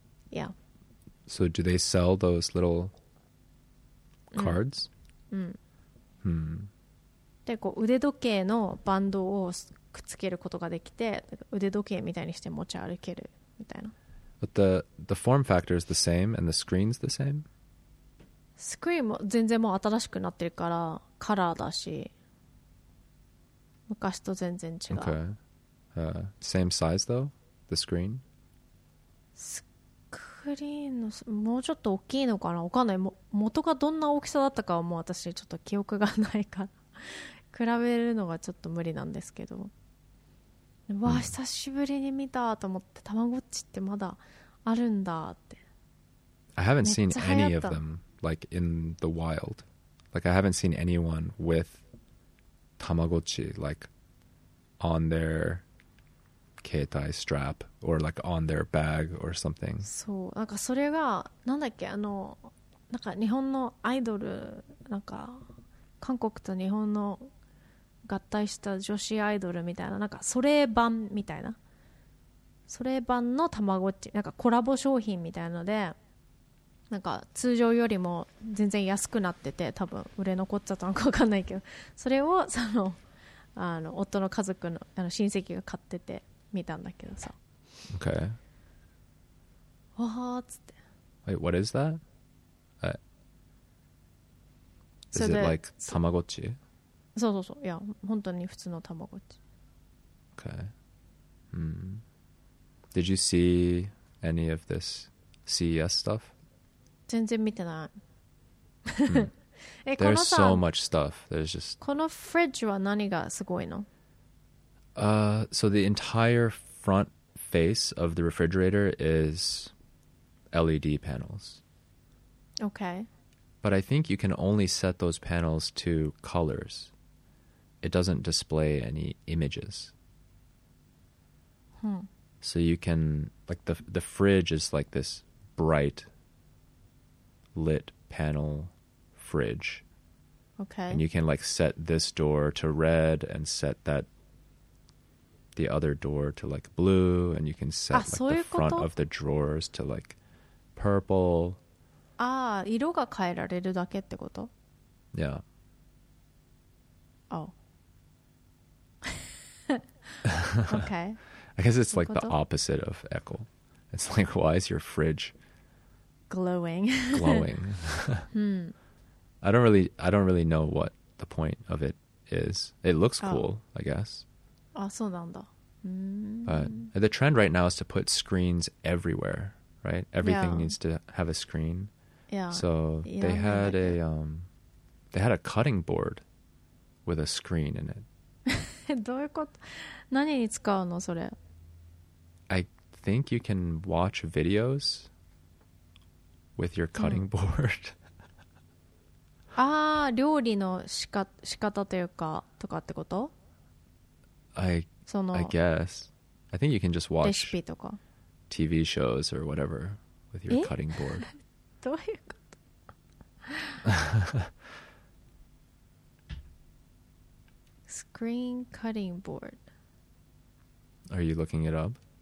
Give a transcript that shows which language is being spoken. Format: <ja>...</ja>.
<en>Yeah. So do they sell those little cards?</en> <ja>でこう腕時計のバンドをくっつけることができて、腕時計みたいにして持ち歩けるみたいな。</ja> <en>But the form factor is the same and the screen's the same?</en> <ja>スクリーンも全然もう新しくなってるからカラーだし、昔と全然違う。</ja> <en>Okay. Same size though? The screen?</en> <ja>スクリーンのもうちょっと大きいのかな、わかんない。元がどんな大きさだったかはもう私ちょっと記憶がないから比べるのがちょっと無理なんですけど、わあ久しぶりに見たと思って、たまごっちってまだあるんだって。</ja> <en>I haven't seen any of themLike in the wild. Like I haven't seen anyone with Tamagotchi like on their Keitai strap or like on their bag or something.</en> <ja>そう、なんかそれがなんだっけ、あのなんか日本のアイドル、なんか韓国と日本の合体した女子アイドルみたいな、なんかそれ版みたいな、それ版の Tamagotchi、 なんかコラボ商品みたいので、なんか通常よりも全然安くなってて、多分売れ残っちゃったのか分かんないけど、それをあの夫の家族 の, あの親戚が買ってて見たんだけどさ。</ja> <en>OK、</en> <ja>わーっつって。</ja> <en>Wait, what is that? Is it like たまごっち?</en> <ja>そうそうそう、いや本当に普通のたまごっち。</ja> <en>OK、Did you see any of this CES stuff?</en> <ja>全然見てない。</ja> <en>There's so much stuff. There's just.</en> <ja>このフリッジは何がすごいの？</ja> <en>So the entire front face of the refrigerator is LED panels. Okay. But I think you can only set those panels to colors. It doesn't display any images. So you can like the fridge is like this bright. Lit panel fridge. Okay. And you can like set this door to red and set that the other door to like blue, and you can set like the front of the drawers to like purple.</en> <ja>Ah, 色が変えられるだけってこと?</ja> <en>Yeah. Oh. Okay. I guess it's like the opposite of Echo. It's like, why is your fridge? Glowing. I don't really know what the point of it is. It looks cool, I guess.</en> <ja>Ah, so なんだ。</ja> <en>But the trend right now is to put screens everywhere, right? Everything needs to have a screen. Yeah. So they had a cutting board with a screen in it.</en> <ja>どういうこと？何に使うのそれ？</ja> <en>I think you can watch videos with your cutting board.</en> <ja>ああ、料理の仕方というかとかってこと？</ja> <en>I guess. I think you can just watch</en> <ja>レシピとか</ja> <en>TV shows or whatever with your cutting board.</en> <ja>どういうこと？</ja> <en>Screen cutting board. Are you looking it up?</en>